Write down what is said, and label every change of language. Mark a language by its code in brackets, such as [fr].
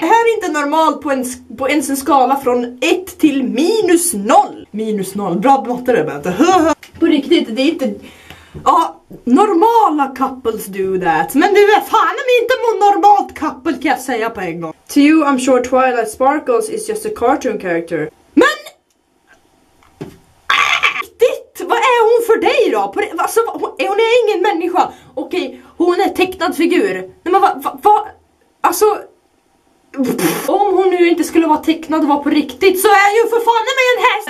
[sv] Det här är inte normalt på en skala från 1 till minus 0. Minus 0, bra matte det Bente. På riktigt, det är inte... Ja, normala [en] couples do that. [sv] Men du är fan om inte mot normalt couple kan jag säga på en gång. [en] To you, I'm sure Twilight Sparkles is just a cartoon character. [sv] Men! Riktigt! Vad är hon för dig då? Alltså, hon är ingen människa. Okej, hon är tecknad figur. Nej, men alltså... Om hon nu inte skulle vara tecknad och vara på riktigt så är ju för fan med en häst!